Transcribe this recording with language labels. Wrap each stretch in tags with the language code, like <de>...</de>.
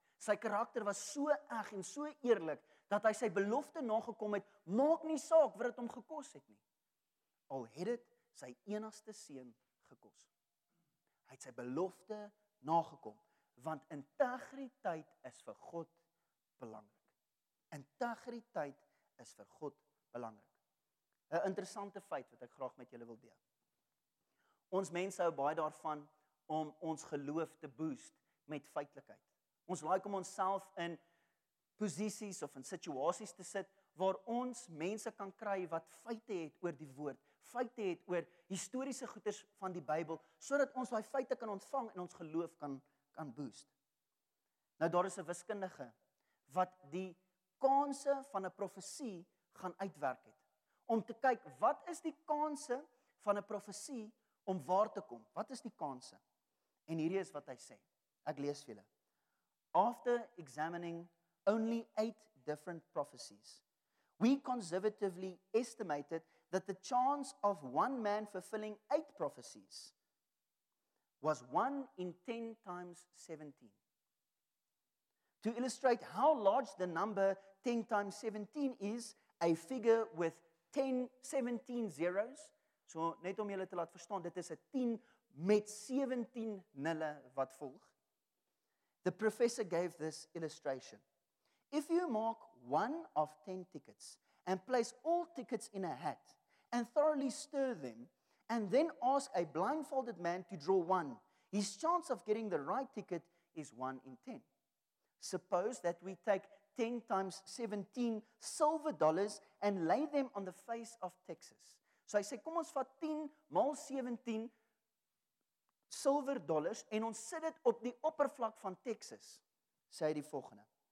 <af>Sy karakter was so eg en so eerlik, dat hy sy belofte nagekom het, maak nie saak wat dit hom gekos het nie. Al het dit sy enigste seun gekos. Hy het sy belofte nagekom, want integriteit is vir God belangrik. Integriteit is vir God belangrik. 'N interessante feit wat ek graag met julle wil deel. Ons mense hou baie daarvan om ons geloof te boost met feitelikheid. Ons like om onsself in posisies of in situasies te sit waar ons mense kan kry wat feite het oor die woord, feite het oor historiese goeders van die Bybel, sodat ons daai feite kan ontvang en ons geloof kan boost. Nou daar is 'n wiskundige wat die kanse van 'n profesie gaan uitwerk het om te kyk wat is die kanse van 'n profesie om waar te kom? Wat is die kanse? En hierdie is wat hy sê. Ek lees vir julle.</af> <en>After examining only 8 different prophecies, we conservatively estimated that the chance of one man fulfilling 8 prophecies was 1 in 10 times 17. To illustrate how large the number 10 times 17 is, a figure with 10, 17 zeros,</en> <af>so net om julle te laat verstaan, dit is 'n 10 met 17 nulle wat volg.</af> <en>The professor gave this illustration. If you mark one of 10 tickets and place all tickets in a hat and thoroughly stir them and then ask a blindfolded man to draw one, his chance of getting the right ticket is 1 in 10. Suppose that we take 10 times 17 silver dollars and lay them on the face of Texas.</en> <af>So hy sê, kom ons vat 10 maal 17 silver dollars en ons sit dit op die oppervlak van Texas, sê hy die volgende.</af>